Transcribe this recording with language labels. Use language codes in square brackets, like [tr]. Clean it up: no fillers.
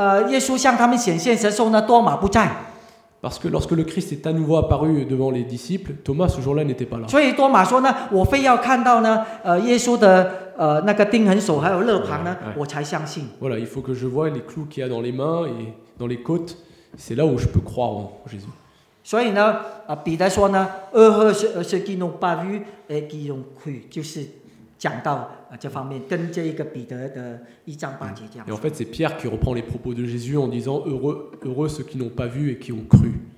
[zh] 耶稣向他们显现时候呢，多马不在。 [fr] Parce que lorsque le Christ est à nouveau apparu devant les disciples, Thomas ce jour-là n'était pas là. [zh] 所以多马说呢，我非要看到呢，耶稣的那个钉痕手还有肋旁呢，我才相信。 [fr] Voilà, il faut que je voie les clous qu'il y a dans les mains et dans les côtes. C'est là où je peux croire en Jésus. [zh] 所以呢, 彼得说呢, 二和是 [fr] qui n'ont pas vu et qui ont cru, [zh] 就是讲到这方面, 跟这一个彼得的一章八节这样。 [fr] Et en fait, c'est Pierre qui reprend les propos de Jésus en disant heureux ceux qui n'ont pas vu et qui ont cru.